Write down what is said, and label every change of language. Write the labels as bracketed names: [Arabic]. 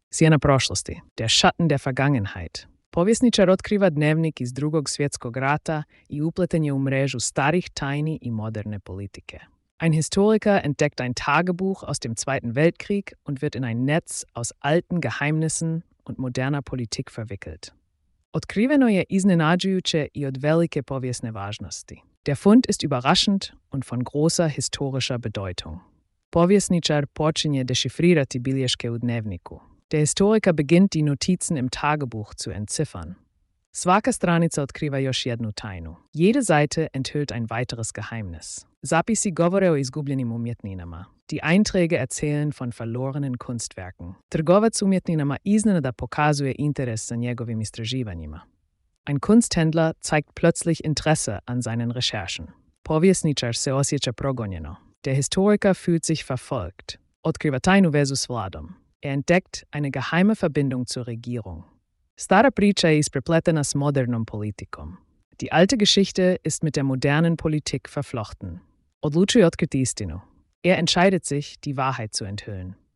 [Croatian] Sjena prošlosti, [German] der Schatten der Vergangenheit. [Croatian] Povjesničar otkriva dnevnik iz drugog svjetskog rata i upleten je u mrežu starih tajni i moderne politike. [German] Ein Historiker entdeckt ein Tagebuch aus dem Zweiten Weltkrieg und wird in ein Netz aus alten Geheimnissen und moderner Politik verwickelt. [Croatian] Otkriveno je iznenađujuće i od velike povijesne važnosti. [German] Der Fund ist überraschend und von großer historischer Bedeutung. [Croatian] Povjesničar počinje dešifrirati bilješke u dnevniku. [German] Der Historiker beginnt, die Notizen im Tagebuch zu entziffern. [Croatian] Svaka stranica otkriva još jednu tajnu. [German] Jede Seite enthüllt ein weiteres Geheimnis. [Croatian] Zapisi govore o izgubljenim umjetninama. [German] Die Einträge erzählen von verlorenen Kunstwerken. [Croatian] Trgovac umjetninama iznenada pokazuje interes za njegovim istraživanjima. [German] Ein Kunsthändler zeigt plötzlich Interesse an seinen Recherchen. [Croatian] Povjesničar se osjeća progonjeno. [German] Der Historiker fühlt sich verfolgt. [Croatian] Otkriva tajnu vezu s vladom. [German] Er entdeckt eine geheime Verbindung zur Regierung. [Croatian] Stara priča je isprepletena s modernom politikom. [German] Die alte Geschichte ist mit der modernen Politik verflochten. [Croatian] Odlučuje otkriti istinu. [German] Er entscheidet sich, die Wahrheit zu enthüllen.